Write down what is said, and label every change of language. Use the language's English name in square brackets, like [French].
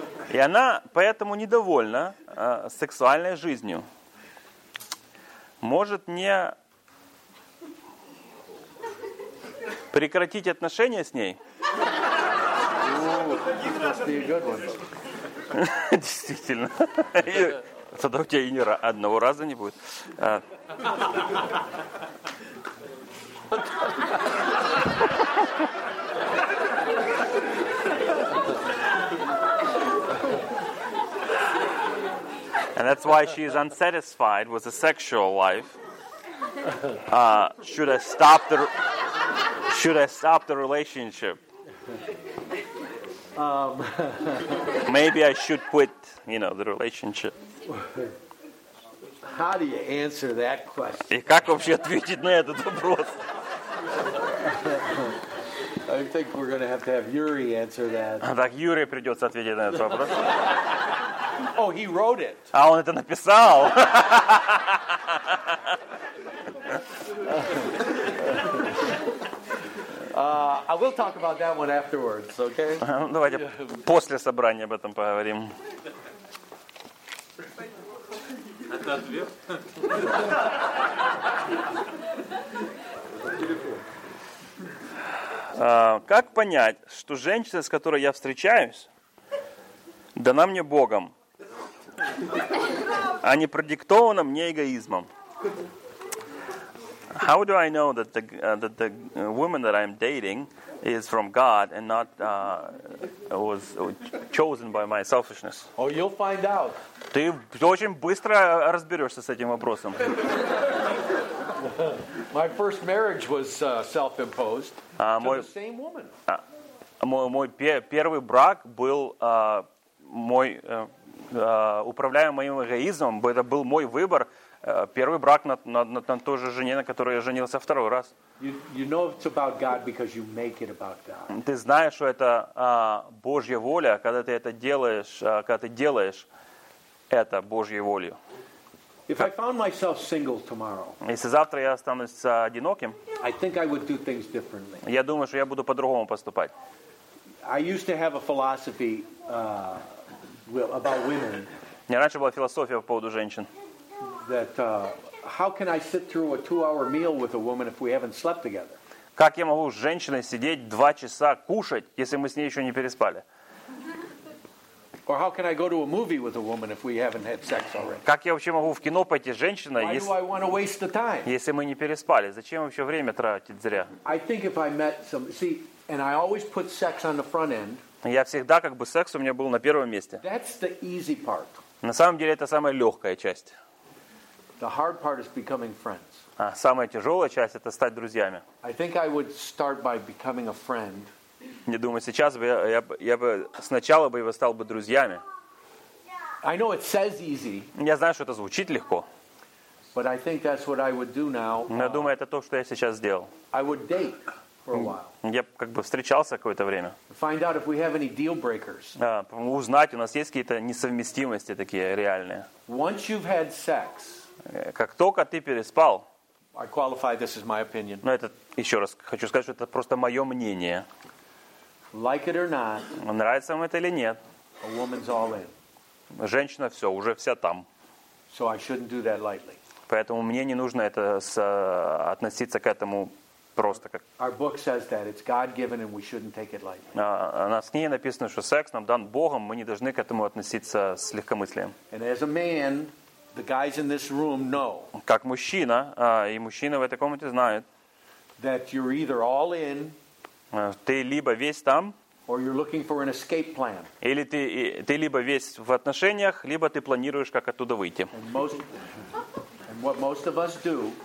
[Russian] И она поэтому недовольна сексуальной жизнью. Может, не... Прекратить отношения с ней? Действительно. Тогда у тебя и ни одного раза не будет. [English] And that's why she is unsatisfied with the sexual life. Should I stop the relationship? Maybe I should quit, the relationship. How do you answer that question? [Russian] И как вообще ответить на этот вопрос? [English] I think we're going to have Yuri answer that. [Russian] Так Юрий придется ответить на этот вопрос. [English] Oh, he wrote it. [Russian] А он это написал. [English] I will talk about that one afterwards, okay? [Russian] Давайте после собрания об этом поговорим. Это ответ? Как понять, что женщина, с которой я встречаюсь, дана мне Богом, а не продиктована мне эгоизмом? [English] How do I know that the woman that I'm dating is from God and not was chosen by my selfishness? Oh, you'll find out. [Russian] Ты очень быстро разберешься с этим вопросом. [English] My first marriage was self-imposed to the same woman. [Russian] Мой первый брак был мой управляемый моим эгоизмом. Это был мой выбор. Первый брак на той же жене, на которой я женился второй раз. Ты знаешь, что это Божья воля, когда ты это делаешь, когда ты делаешь это Божьей волей. [English] If I found myself single tomorrow, [Russian] если завтра я останусь одиноким, [English] I think I would do things differently. [Russian] Я думаю, что я буду по-другому поступать. [English] I used to have a philosophy about women. [Russian] У меня раньше была философия по поводу женщин. [English] That how can I sit through a 2-hour meal with a woman if we haven't slept together? [Russian] Как я могу с женщиной сидеть 2 часа кушать, если мы с ней еще не переспали? [English] Or how can I go to a movie with a woman if we haven't had sex already? [Russian] Как я вообще могу в кино пойти с женщиной, [English] Why do I want to waste the time? [Russian] Если мы не переспали? Зачем вообще время тратить зря? [English] I think if I met some, see, and I always put sex on the front end. [Russian] Я всегда как бы секс у меня был на первом месте. [English] That's the easy part. [Russian] На самом деле это самая легкая часть. [English] The hard part is becoming friends. [Russian] А самая тяжелая часть — это стать друзьями. [English] I think I would start by becoming a friend. [Russian] Не думаю, сейчас бы я бы сначала бы его стал бы друзьями. [English] I know it says easy. [Russian] Я знаю, что это звучит легко. [English] But I think that's what I would do now. [Russian] Но я думаю, это то, что я сейчас сделал. [English] I would date for a while. [Russian] Я как бы встречался какое-то время. [English] Find out if we have any deal breakers. [Russian] Узнать, у нас есть какие-то несовместимости такие реальные. [English] Once you've had sex. [Russian] Как только ты переспал. [English] I qualify this as my opinion. [Russian] Но это еще раз хочу сказать, что это просто мое мнение. [English] Like it or not, [Russian] нравится вам это или нет. [English] A woman's all in. [Russian] Женщина все, уже вся там. [English] So I shouldn't do that lightly. [Russian] Поэтому мне не нужно это относиться к этому просто как. [English] Our book says that it's God-given and we shouldn't take it lightly. [Russian] У нас в книге написано, что секс нам дан Богом, мы не должны к этому относиться с легкомыслием. [English] And as a man, the guys in this room know. [Russian] Как мужчина, и мужчины в этой комнате знают. [English] That you're either all in. [Russian] Ты либо весь там. [English] Or you're looking for an escape plan. [Russian] Или ты либо весь в отношениях, либо ты планируешь, как оттуда выйти. [English] And what most of us do.